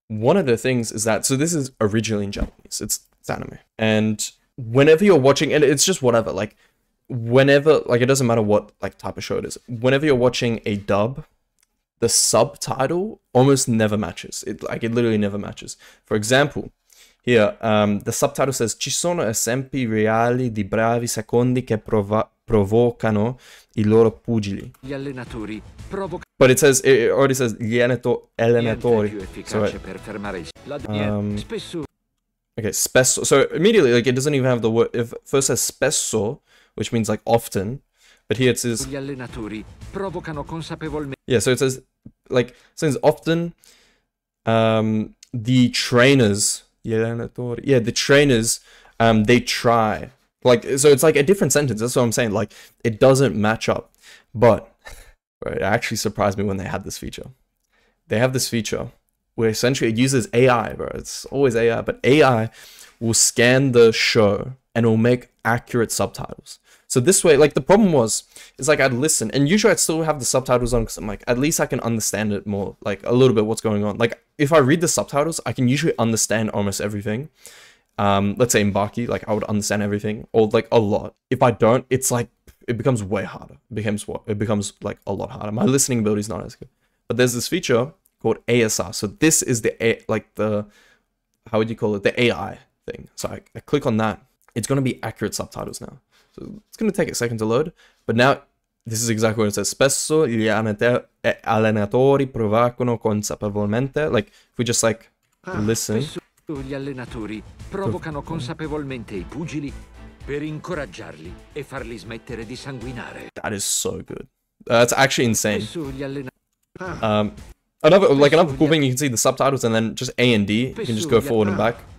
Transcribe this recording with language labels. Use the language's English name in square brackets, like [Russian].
[English] One of the things is that, so this is originally in Japanese. It's anime, and whenever you're watching, and it's just whatever, like, whenever, like, it doesn't matter what, like, type of show it is, whenever you're watching a dub, the subtitle almost never matches. It literally never matches. For example, here, the subtitle says, [Italian] ci sono esempi reali di bravi secondi che provocano I loro pugili. Gli allenatori [English] But it says, it already says, [Italian] gli allenatori. [English] Okay, spesso. So immediately, like, it doesn't even have the word. If first says spesso, which means, like, often, but here it says. [Italian] Gli allenatori provocano consapevolmente. [English] Yeah, so it says, like, since often, the trainers. [Italian] Gli allenatori. [English] Yeah, the trainers, they try. Like, so it's like a different sentence. That's what I'm saying. Like, it doesn't match up. But it actually surprised me when they had this feature. They have this feature where essentially it uses AI, bro. It's always AI, but AI will scan the show and will make accurate subtitles. So this way, like, the problem was, is, like, I'd listen, and usually I'd still have the subtitles on because I'm like, at least I can understand it more, like, a little bit what's going on. Like, if I read the subtitles, I can usually understand almost everything. Let's say in Baki, like, I would understand everything, or, like, a lot. If I don't, it's like, it becomes way harder. It becomes, like, a lot harder. My listening ability is not as good. But there's this feature called ASR. So this is the AI thing. So I click on that. It's going to be accurate subtitles now. So it's going to take a second to load. But now this is exactly what it says. [Italian] Spesso gli allenatori provocano consapevolmente. [English] Like, if we just, like, listen. [Italian] gli allenatori provocano consapevolmente i pugili per incoraggiarli e farli smettere di sanguinare. [English] That is so good. That's actually insane. Another cool thing, you can see the subtitles and then just A and D. You can just go forward and back.